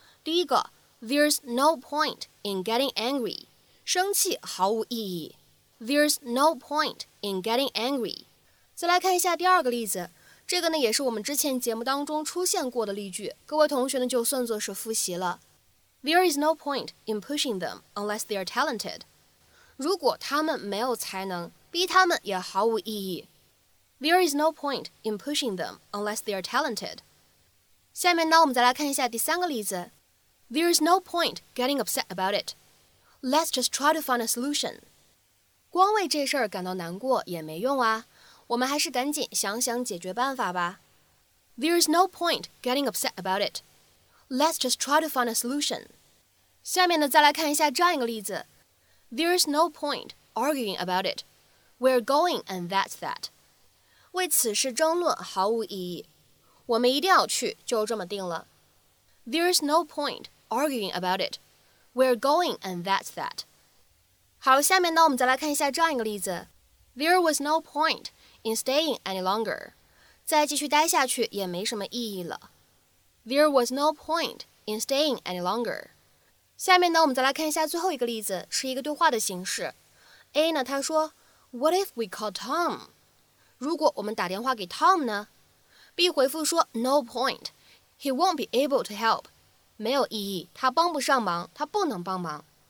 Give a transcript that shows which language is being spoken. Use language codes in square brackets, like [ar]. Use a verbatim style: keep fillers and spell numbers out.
[en] 第一个 There's no point in getting angry， [zh] 生气毫无意义。 [en] There's no point in getting angry。 [zh] 再来看一下第二个例子，这个呢也是我们之前节目当中出现过的例句，各位同学呢就算作是复习了。 [en] There is no point in pushing them unless they are talented。 [zh] 如果他们没有才能，逼他们也毫无意义。 [en] There is no point in pushing them unless they are talented。 [zh] 下面呢我们再来看一下第三个例子。 [en] There is no point getting upset about it。 Let's just try to find a solution。 [zh] 光为这事儿感到难过也没用啊，我们还是赶紧想想解决办法吧。 [en] There's no point getting upset about it. Let's just try to find a solution. [zh] 下面呢，再来看一下这样一个例子。 [en] There's no point arguing about it. We're going and that's that. [zh] 为此事争论毫无意义，我们一定要去，就这么定了。 [en] There's no point arguing about it. We're going and that's that. [zh] 好，下面呢我们再来看一下这样一个例子。 [en] There was no point in staying any longer。 [zh] 再继续待下去也没什么意义了。 [en] There was no point in staying any longer。 [zh] 下面呢我们再来看一下最后一个例子，是一个对话的形式。 A 呢他说 [en] What if we call Tom？ [zh] 如果我们打电话给 Tom 呢？ [en] B [zh] 回复说 [en] No point He won't be able to help。 [zh] 没有意义，他帮不上忙，他不能帮忙。